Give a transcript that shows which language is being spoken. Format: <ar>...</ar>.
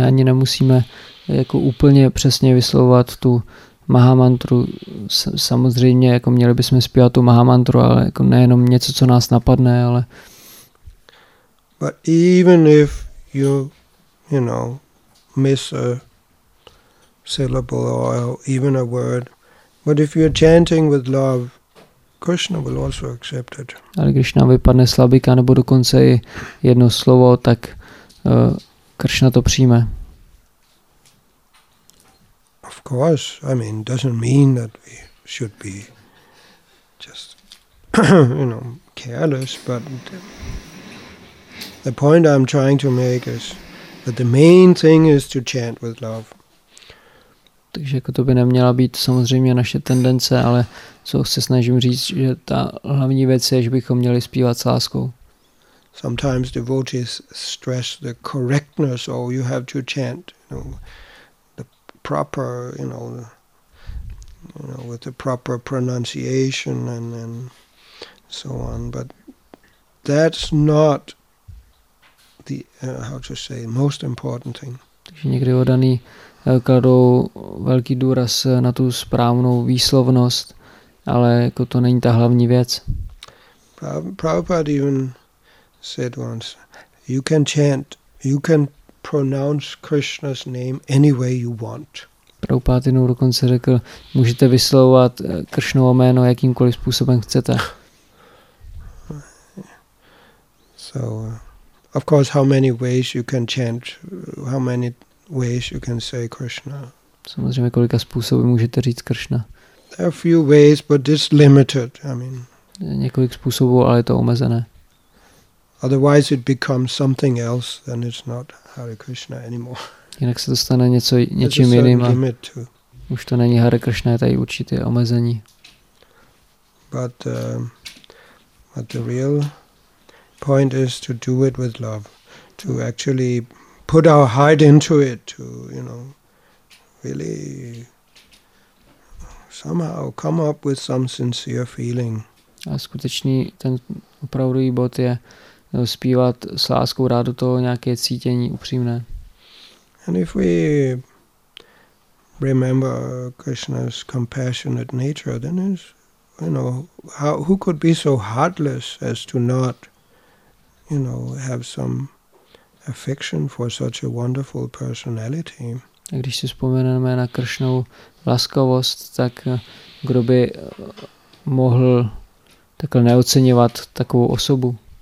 <cs>My ani nemusíme jako úplně přesně vyslovovat tu Maha Mantru. Samozřejmě, jako měli bychom zpívat tu Maha Mantru, ale jako nejenom něco, co nás napadne, ale...</cs> <en>But even if you miss a syllable or even a word, but if you're chanting with love, Krishna will also accept it.</en> <cs>Ale když nám vypadne slabika nebo dokonce i jedno slovo, tak Krishna to přijme.</cs> <en>Of course, I mean, doesn't mean that we should be just, you know, careless, but the point I'm trying to make is that the main thing is to chant with love.</en> <cs>Takže jako to by neměla být samozřejmě naše tendence, ale co se snažím říct, že ta hlavní věc je, že bychom měli zpívat s láskou.</cs> <en>Sometimes devotees stress the correctness, or you have to chant, you know, the proper, you know, with the proper pronunciation and so on. But that's not the how to say most important thing.</en> <cs>Takže někdy odaný kladou velký důraz na tu správnou výslovnost, ale jako to není ta hlavní věc.</cs> <en>Prabhupada even said once, you can chant, you can pronounce Krishna's name any way you want.</en> <cs>Prabhupada jednou dokonce řekl, můžete vyslovovat Kršnovo jméno jakýmkoliv způsobem chcete.</cs> <en>So, of course, how many ways you can chant, how many ways you can say Krishna.</en> <cs>Samozřejmě, kolika způsobů můžete říct Krishna.</cs> <en>There are a few ways, but it's limited. I mean,</en> <cs>několik způsobů, ale je to omezené.</cs> <en>Otherwise, it becomes something else, then it's not Hare Krishna anymore.</en> <cs>Jinak se to stane něčím jiným. A už to není Hare Krishna, je tady určité omezení.</cs> <en>But the real point is to do it with love, to actually put our heart into it, to, you know, really somehow come up with some sincere feeling.</en> <cs>A skutečný ten opravdový bod je zpívat s láskou, rád do toho nějaké cítění upřímné.</cs> <en>And if we remember Krishna's compassionate nature, then is, you know, how, who could be so heartless as to not, you know, have some affection for such a wonderful personality.</en> <cs>A když si vzpomeneme na Kršnovu laskavost, tak kdo by mohl takhle neoceňovat takovou osobu?</cs>